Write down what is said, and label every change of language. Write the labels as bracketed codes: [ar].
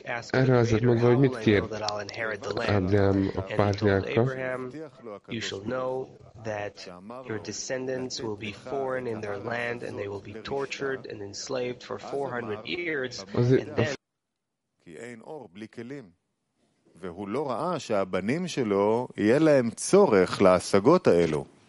[hu] Erre azért mondva, hogy mit kér Ábrahám a pátriárka. [en] You shall know that your descendants will be foreign in their land and they will be tortured and enslaved for 400 years. [he] כי אין אור בלי כלים. והוא לא ראה שהבנים שלו יהיה להם צורך להשגות האלו.